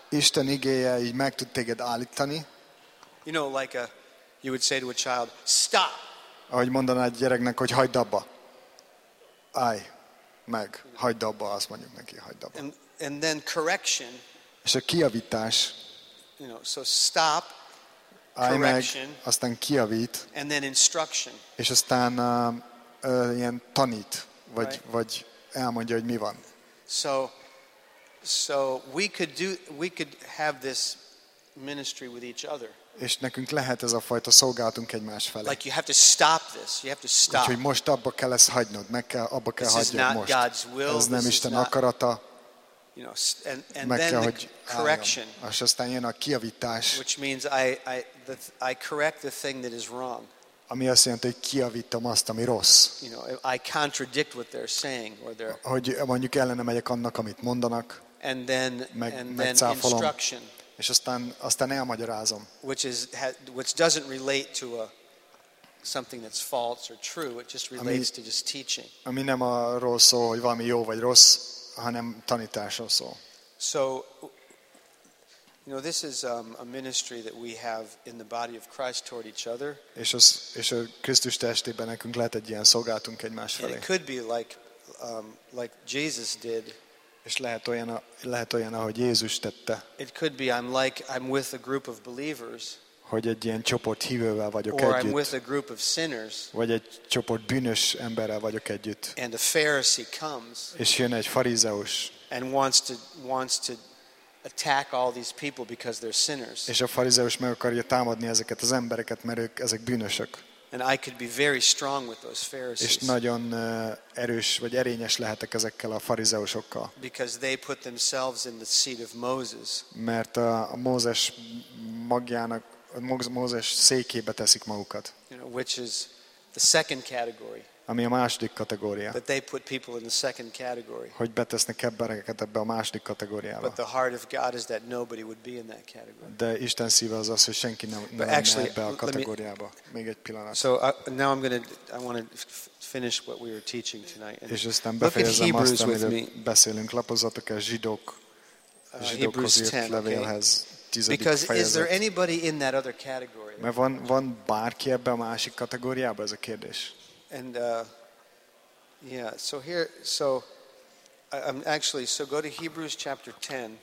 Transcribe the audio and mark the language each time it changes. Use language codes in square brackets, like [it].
[hu] Isten igéje így meg tud téged állítani. [en] You know, like you would say to a child, stop. [hu] Ahogy mondaná egy gyereknek, hogy hagyd abba. Állj meg, hagyd abba, azt mondjuk neki, hagyd abba. [en] And then correction. [hu] És a kijavítás. [en] You know, so stop. [hu] Állj meg, aztán kijavít. [en] And then instruction. [hu] És aztán ilyen tanít, vagy right. Vagy elmondja, hogy mi van. [en] So we could have this ministry with each other. [hu] És nekünk lehet ez a fajta szolgálatunk egymás felé. [en] Like you have to stop this. You have to stop. [hu] Úgyhogy most abba kell ezt hagynod, meg kell abba kell hagynod most. [en] God's will. [hu] Ez nem Isten akarata. [en] You know, and then [hu] kell, [en] the correction. [hu] És aztán jön a kijavítás. [en] Which means I correct the thing that is wrong. [hu] Ami azt jelenti, hogy kijavítom azt, ami rossz. [en] You know, I contradict what they're saying or they're. [hu] Hogy mondjuk ellene megyek annak, amit mondanak. [en] And then instruction. [hu] És aztán elmagyarázom. [en] Which doesn't relate to something that's false or true. It just relates to just teaching. [hu] Ami nem arról szól, hogy valami jó vagy rossz, hanem tanításról szól. [en] So, you know, this is a ministry that we have in the body of Christ toward each other. [hu] És a Krisztus testében nekünk lehet egy ilyen szolgálatunk egymás felé. [en] And it could be like Jesus did. [hu] És lehet olyan, ahogy Jézus tette. [en] It could be I'm with a group of believers. [hu] Hogy egy ilyen csoport hívővel vagyok [en] or [hu] együtt. [en] Or I'm with a group of sinners. [hu] Vagy egy csoport bűnös emberrel vagyok együtt. [en] And a Pharisee comes. [hu] És jön egy farizeus. [en] And wants to attack all these people because they're sinners. [hu] És a farizeus meg akarja támadni ezeket az embereket, mert ezek bűnösök. [en] And I could be very strong with those Pharisees. [hu] És nagyon erős vagy erényes lehetek ezekkel a farizeusokkal. [en] Because they put themselves in the seat of Moses. [hu] Mert a Mózes magjának, a Mózes székébe teszik magukat. [en] You know, which is the second category. [hu] ami a második kategória. [en] But they put people in the second category. [hu] Hogy betesznek embereket ebbe a második kategóriába. [en] But the heart of God is that nobody would be in that category. [hu] De Isten szíve az az, hogy senki nem lenne ebbe a kategóriába. Még egy pillanat. [en] So now I'm going to I want to finish what we were teaching tonight. [hu] És aztán befejezem azt, amiről beszélünk. Lapozzatok el Zsidókhoz írt levélhez. [en] Because is there anybody in that other category? [hu] Mert van bárki ebbe a másik kategóriába, ez a kérdés. [en] And yeah, so here, so I'm actually, so go to Hebrews chapter 10.